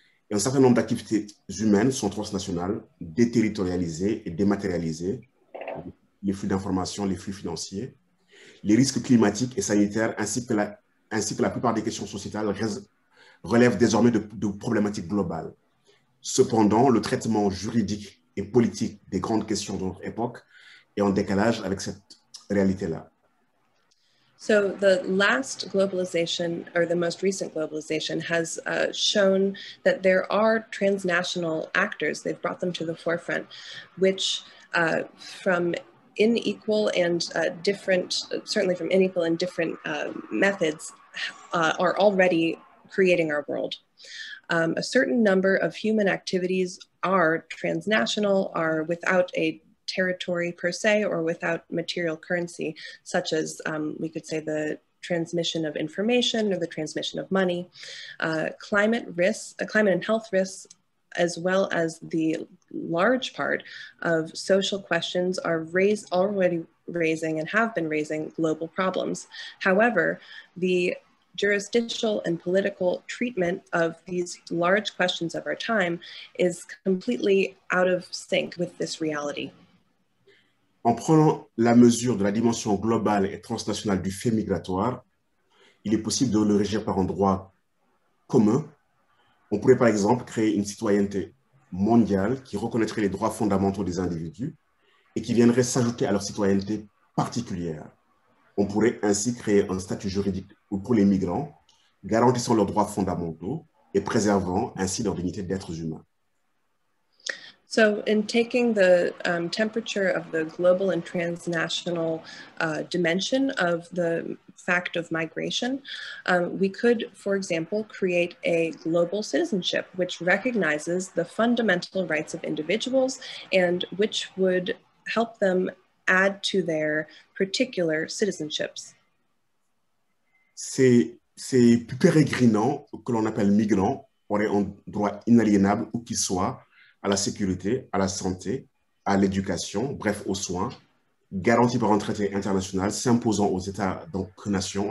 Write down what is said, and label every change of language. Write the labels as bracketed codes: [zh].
[fr] Et un certain nombre d'activités humaines sont transnationales, déterritorialisées et dématérialisées, les flux d'informations, les flux financiers, les risques climatiques et sanitaires, ainsi que la ainsi que la plupart des questions sociétales relèvent désormais de problématiques globales. Cependant, le traitement juridique et politique des grandes questions de notre époque est en décalage avec cette réalité-là. [en] So the last globalization, or the most recent globalization, has shown that there are transnational actors. They've brought them to the forefront, which from inequal and different, certainly from inequal and different methods, are already creating our world. A certain number of human activities are transnational, are without a territory per se, or without material currency, such as we could say the transmission of information or the transmission of money. Climate risks, climate and health risks, as well as the large part of social questions are already raising and have been raising global problems. However, the jurisdictional and political treatment of these large questions of our time is completely out of sync with this reality. [fr] En prenant la mesure de la dimension globale et transnationale du fait migratoire, il est possible de le régir par un droit commun. On pourrait par exemple créer une citoyenneté mondiale qui reconnaîtrait les droits fondamentaux des individus et qui viendrait s'ajouter à leur citoyenneté particulière. On pourrait ainsi créer un statut juridique pour les migrants, garantissant leurs droits fondamentaux et préservant ainsi leur dignité d'êtres humains. [en] So in taking the temperature of the global and transnational dimension of the fact of migration, we could, for example, create a global citizenship which recognizes the fundamental rights of individuals and which would help them add to their particular citizenships. [fr] Ces pérégrinants que l'on appelle migrants auraient un droit inaliénable où qu'ils soient, à la sécurité, à la santé, à l'éducation, bref, aux soins, garantis par un traité international s'imposant aux États, donc nations.